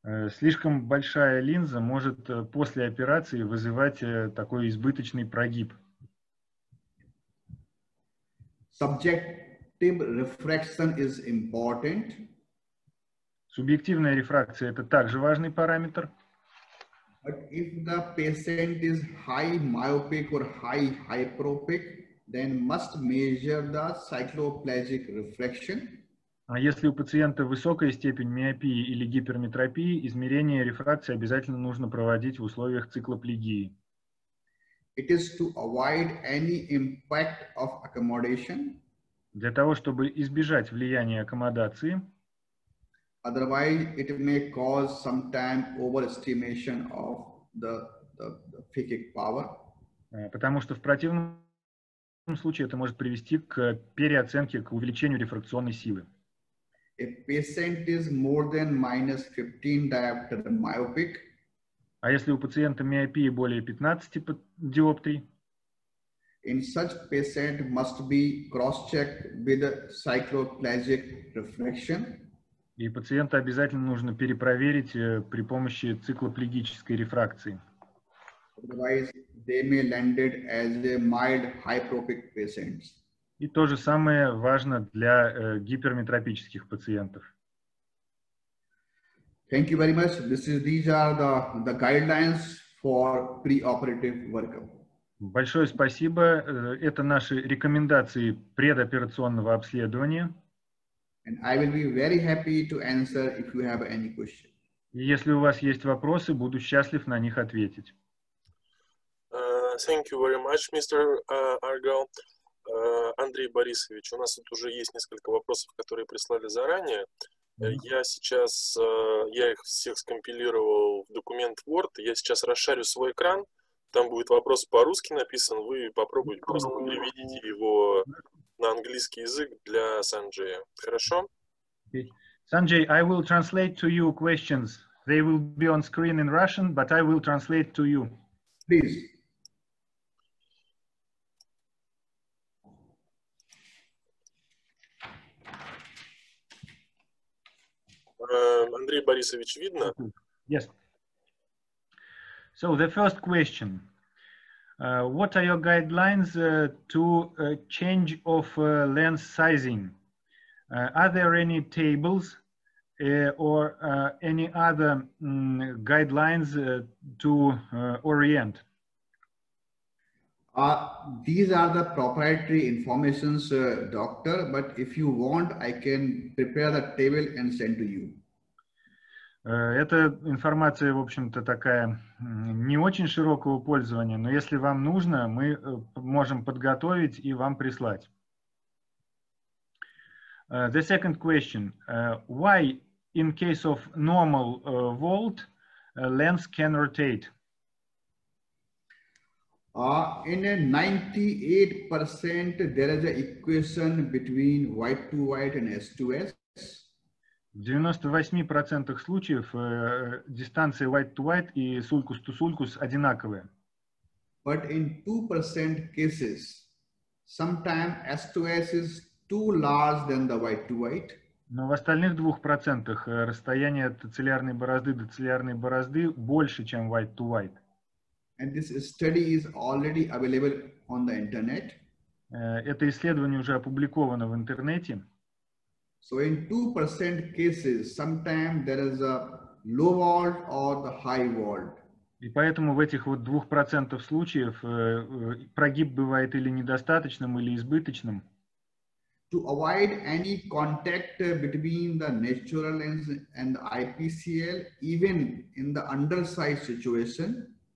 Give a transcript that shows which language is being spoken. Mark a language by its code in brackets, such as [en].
[ru] Слишком большая линза может после операции вызывать такой избыточный прогиб. [en] Subjective refraction is important. [ru] Субъективная рефракция — это также важный параметр. [en] But if the patient is high myopic or high hyperopic, then must measure the cycloplegic refraction. [ru] А если у пациента высокая степень миопии или гиперметропии, измерение рефракции обязательно нужно проводить в условиях циклоплегии. [en] It is to avoid any impact of accommodation. [ru] Для того, чтобы избежать влияния аккомодации. [en] Otherwise, it may cause sometime overestimation of the phakic power. [ru] Потому что в противном В этом случае это может привести к переоценке, к увеличению рефракционной силы. [en] A patient is more than minus 15 diopter myopic. [ru] А если у пациента миопия более 15 диоптрий? [en] In such patient must be cross-checked with a cycloplegic refraction. [ru] И пациента обязательно нужно перепроверить при помощи циклоплегической рефракции. [en] Otherwise, they may land it as a mild hypropic patients. [ru] И то же самое важно для гиперметропических пациентов. [en] Thank you very much. These are the guidelines for preoperative workup. [ru] Большое спасибо. Это наши рекомендации предоперационного обследования. [en] And I will be very happy to answer if you have any question. [ru] Если у вас есть вопросы, буду счастлив на них ответить. [en] Thank you very much, Mr. Argal. [ru] Андрей Борисович, у нас тут уже есть несколько вопросов, которые прислали заранее. Я их всех скомпилировал в документ Word. Я сейчас расшарю свой экран. Там будет вопрос по-русски написан. Вы попробуйте просто переведите его на английский язык для Санджея. Хорошо? [en] Санджей, I will translate to you questions. They will be on screen in Russian, but I will translate to you. Please. [ru] Андрей Борисович, видно? [en] Yes. So the first question. What are your guidelines to change of lens sizing? Are there any tables or any other guidelines to orient? These are the proprietary informations, doctor, but if you want, I can prepare the table and send to you. [ru] Эта информация, в общем-то, такая не очень широкого пользования, но если вам нужно, мы можем подготовить и вам прислать. [en] The second question. Why, in case of normal vault, lens can rotate? In a 98%, there is an equation between white-to-white and S2S. [ru] В 98% случаев дистанции white-to-white и sulcus-to-sulcus одинаковые. [en] But in 2% cases, sometimes S2S is too large than the white-to-white. [ru] Но в остальных 2% расстояние от цилиарной борозды до цилиарной борозды больше, чем white-to-white. [en] And this study is already available on the internet. [ru] Это исследование уже опубликовано в интернете. [en] So in 2% cases, sometimes there is a low vault or the high vault. [ru] И поэтому в этих вот 2% случаев прогиб бывает или недостаточным, или избыточным. [en] To avoid any contact between the natural lens and the IPCL, even in the undersized situation.